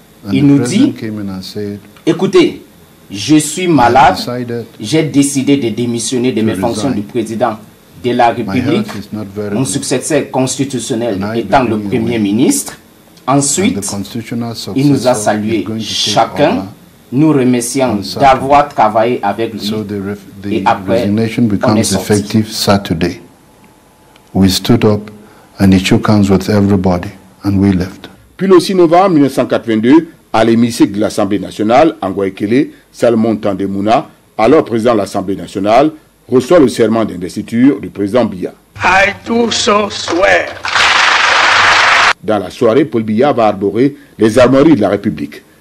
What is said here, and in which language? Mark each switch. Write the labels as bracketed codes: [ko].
[fr] Il nous dit, écoutez, je suis malade, j'ai décidé de démissionner de mes fonctions du président de la République, mon successeur constitutionnel étant le premier ministre. Ensuite, il nous a salués chacun, nous remerciant d'avoir travaillé avec lui. Et après, on est sorti. [en] We stood up and he shook hands with everybody and we left. [fr] Puis le 6 novembre 1982, à l'hémicycle de l'Assemblée nationale, en Guayaquil, Salomon Tandemouna, alors président de l'Assemblée nationale, reçoit le serment d'investiture du président Biya. [en] I do so swear. [fr] Dans la soirée, Paul Biya va arborer les armoiries de la République.